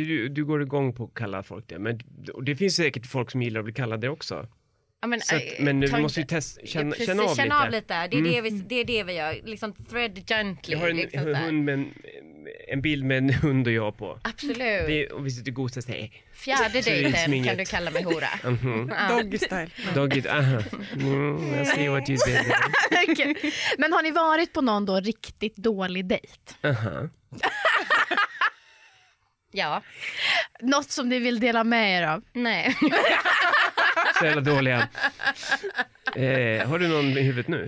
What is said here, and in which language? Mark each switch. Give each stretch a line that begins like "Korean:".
Swedish: Du går igång på att kalla folk det. Men det finns säkert folk som gillar att bli kallade det också. Ja, men, så att, men nu måste ju känna av lite. Känna av lite. Det är det vi gör. Liksom
English: thread gently.
Swedish: Jag har en liksom hund med en bild med en hund och jag på. Absolut. Och vi sitter godast här. Fjärde dejten kan du kalla mig hora.
English: Mm-hmm. Doggy style. Doggy, aha. Mm, I see what you did there. Okay.
Swedish: Men har ni varit på någon då riktigt dålig dejt? Aha. Ja. Något som ni vill dela med er av? Nej. Så jävla dåliga. Har du någon i huvudet nu?